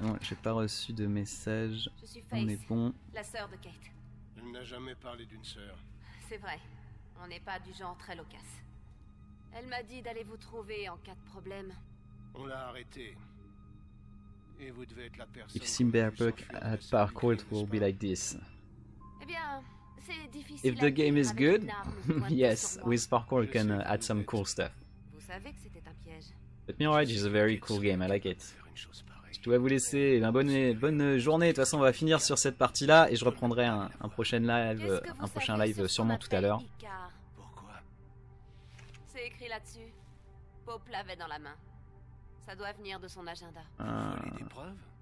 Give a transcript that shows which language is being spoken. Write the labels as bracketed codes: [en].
[fr] Non, j'ai pas reçu de message. Je suis Faith, on est bon. La sœur de Kate. Elle n'a jamais parlé d'une sœur. C'est vrai, on n'est pas du genre très loquace. Elle m'a dit d'aller vous trouver en cas de problème. On l'a arrêtée. Et vous devez être la personne. [en] If Cyberpunk had parkour, it will be like this. [fr] Eh bien, c'est difficile. [en] If the game is good, yes, with parkour, you can add some cool stuff. [fr] Vous savez que c'était un piège. [en] But Mirage is a very cool game, I like it. [fr] Je dois vous laisser, ben bonne journée, de toute façon on va finir sur cette partie là et je reprendrai un prochain live sûrement tout à l'heure. Pourquoi? C'est écrit là-dessus. Pope l'avait dans la main. Ça doit venir de son agenda. Vous voulez des preuves?